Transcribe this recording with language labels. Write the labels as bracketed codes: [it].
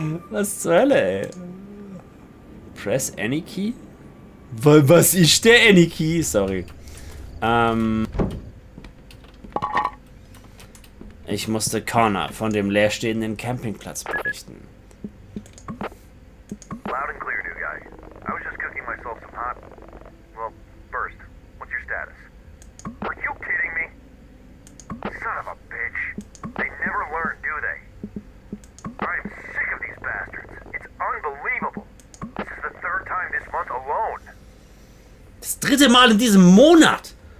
[de] Was zur Hölle, ey? [en] Press any key? [de] Was ist der any key? Sorry. Ich musste Connor von dem leerstehenden Campingplatz berichten. [en] Loud and clear, new guy. I was just cooking myself some hot. Well, first, what's your status? Are you kidding me? Son of a bitch. They never learn, do they? I'm sick of these bastards. It's unbelievable. This is the third time this month alone. [de] Das dritte Mal in diesem Monat.